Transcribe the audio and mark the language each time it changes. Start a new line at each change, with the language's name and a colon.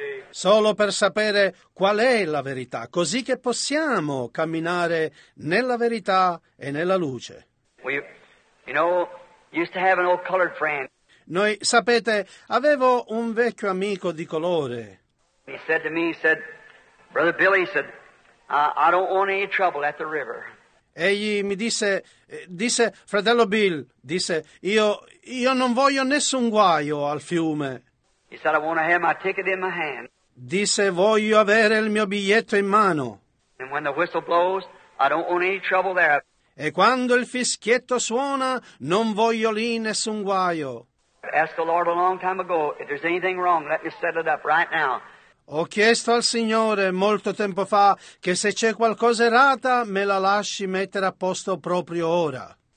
Italian: Solo per sapere qual è la verità, così che possiamo camminare nella verità e nella luce.
English: You know, used to have an old colored friend.
Italian: Noi, sapete, avevo un vecchio amico di colore.
English: He said to me, he said, Brother Billy, he said, I don't want any trouble at the river.
Italian: Egli mi disse, fratello Bill, disse, io non voglio nessun guaio al fiume.
English: He said, I want to have my ticket in my hand.
Italian: Disse, voglio avere il mio biglietto in mano.
English: And when the whistle blows, I don't want any trouble there.
Italian: E quando il fischietto suona, non voglio lì nessun guaio.
English: Asked the Lord a long time ago, if there's anything wrong, let me settle it up right now.
Italian: Ho chiesto al Signore molto tempo fa che se c'è qualcosa errata me la lasci mettere a posto proprio ora.